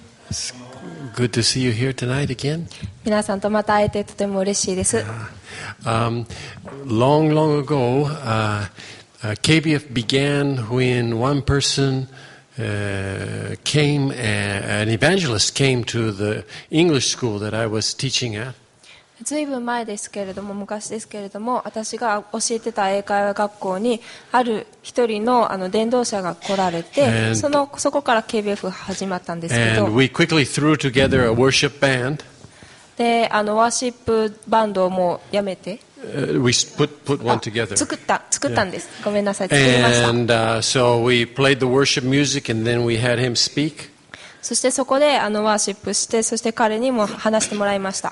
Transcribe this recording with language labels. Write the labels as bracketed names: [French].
[English] It's good to see you here tonight again. [Japanese] 皆さんとまた会えてとても嬉しいです。 [English] Long, long ago, KBF began when one person came, an evangelist came to the English school that I was teaching at. [Japanese] ずいぶん前ですけれども、昔ですけれども、私が教えてた英会話学校にある一人 の, 伝道者が来られて、そこから KBF が始まったんですけど、 [English] and we quickly threw together a worship band. [Japanese] で、ワーシップバンドをもうやめて、 [English] we put one together. [Japanese] 作ったんです。Yeah. ごめんなさい、作りました。 [English] And, so we played the worship music and then we had him speak. [Japanese] そしてそこでワーシップして、そして彼にも話してもらいました。